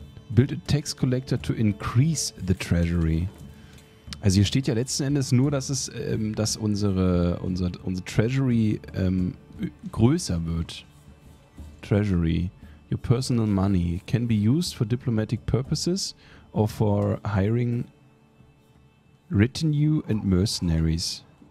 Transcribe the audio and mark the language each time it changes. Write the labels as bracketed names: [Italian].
[English] Build a tax collector to increase the treasury. [German] Also hier steht ja letzten Endes nur, dass es, dass unsere Treasury größer wird. [English] Treasury. Your personal money can be used for diplomatic purposes or for hiring retinue and mercenaries.